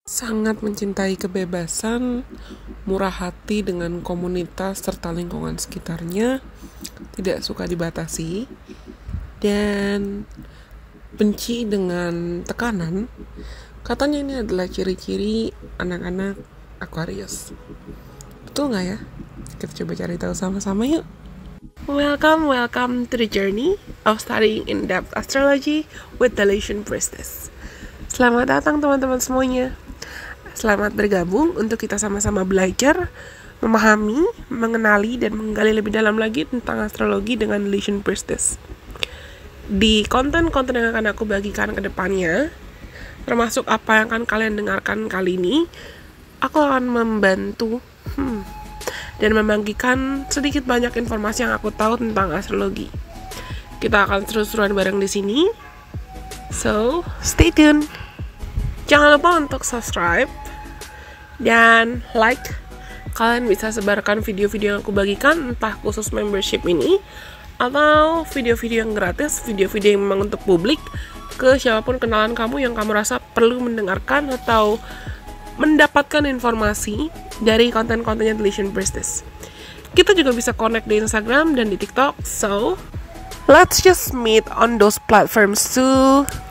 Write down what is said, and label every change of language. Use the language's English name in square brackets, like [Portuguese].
[Indonesian] Sangat mencintai kebebasan, murah hati dengan komunitas serta lingkungan sekitarnya, tidak suka dibatasi, dan benci dengan tekanan. Katanya ini adalah ciri-ciri anak-anak Aquarius. Betul nggak ya? Kita coba cari tahu sama-sama yuk. [English] Welcome, welcome to the journey of studying in-depth astrology with the Lucian Priestess. [Indonesian] Selamat datang teman-teman semuanya. Selamat bergabung untuk kita sama-sama belajar, memahami, mengenali, dan menggali lebih dalam lagi tentang astrologi dengan Lucian Priestess. Di konten-konten yang akan aku bagikan ke depannya, termasuk apa yang akan kalian dengarkan kali ini, aku akan membantu dan membagikan sedikit banyak informasi yang aku tahu tentang astrologi. Kita akan terus-terusan bareng di sini. [English] So, stay tuned. [Indonesian] Jangan lupa untuk subscribe dan like. Kalian bisa sebarkan video-video yang aku bagikan, entah khusus membership ini atau video-video yang gratis, video-video yang memang untuk publik, ke siapapun kenalan kamu yang kamu rasa perlu mendengarkan atau mendapatkan informasi dari konten-kontennya The Lucian Priestess. Kita juga bisa connect di Instagram dan di TikTok. [English] So, let's just meet on those platforms too.